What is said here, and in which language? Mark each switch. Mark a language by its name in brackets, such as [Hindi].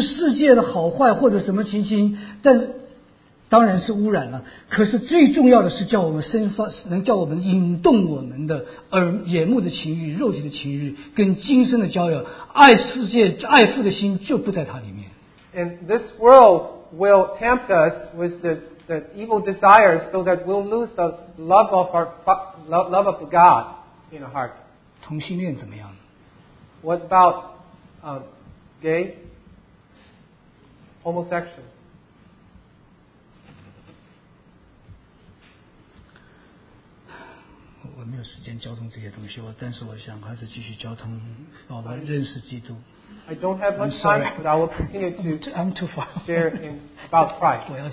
[Chinese] 因为世俗化的世界不是世界的好坏或者什么情形, 但当然是污染了,可是最重要的是叫我们生发,能叫我们引动我们的眼目的情欲,肉体的情欲,跟今生的交友,爱世界,爱父的心就不在它里面。 [English] And this world will tempt us with the evil desires so that we'll lose the love of our love of God in our heart. [Chinese] 同性恋怎么样? [English] What about gay? Homosexual? [Chinese] 我没有时间交通这些东西,但是我想还是继续交通,认识基督。 [English] I don't have much time, but I will continue to share in about Christ.